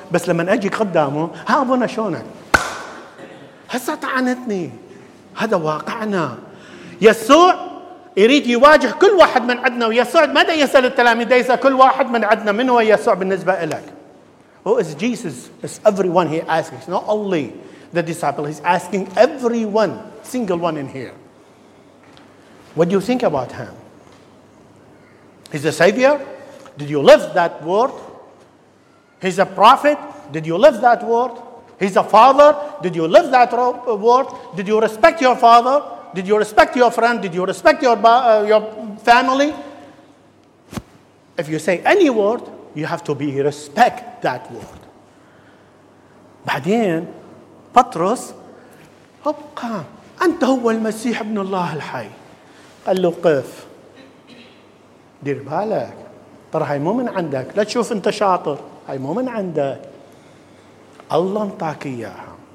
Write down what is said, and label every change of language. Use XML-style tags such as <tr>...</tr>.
<ar>بس لما أجي قدامه ها أبونا شونك هسه طعنتني هذا واقعنا يسوع يريد يواجه كل واحد من عندنا ويسوع ماذا يسأل التلاميذ يسأل كل واحد من عندنا من هو يسوع بالنسبة إليك</ar> <en>Who is Jesus? It's everyone he asks not only the disciple he's asking everyone single one in here. What do you think about him? He's a savior? Did you live that word? He's a prophet? Did you live that word? He's a father? Did you live that word? Did you respect your father? Did you respect your friend? Did you respect your family? If you say any word, you have to be respect that word.</en> <ar>بعدين بطرس ابقى أنت هو المسيح ابن الله الحي قال له قف دير بالك ترى هاي مو من عندك لا تشوف أنت شاطر هاي مو من عندك الله انطاك إياها</ar>